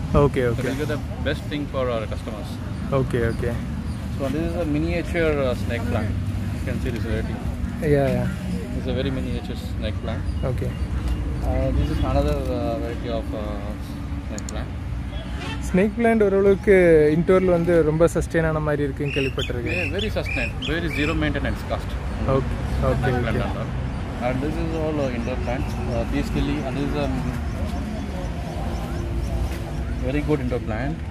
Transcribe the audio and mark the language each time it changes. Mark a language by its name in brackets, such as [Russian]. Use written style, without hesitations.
[English] Okay, okay. So we get the best thing for our customers. Okay, okay. So this is a miniature snake plant. You can see this variety. Yeah, yeah. This is a very miniature snake plant. Okay. This is another variety of snake plant. [Tamil] Snake plant ஓரளவுக்கு இன்டோர்ல வந்து ரொம்ப சஸ்டைனான மாதிரி இருக்குன்னு கேள்விப்பட்டிருக்கேன். [English] Yeah, very sustained. Very zero maintenance cost. Okay. Okay. Okay. And this is all indoor plants. Basically, and this is a very good indoor plant.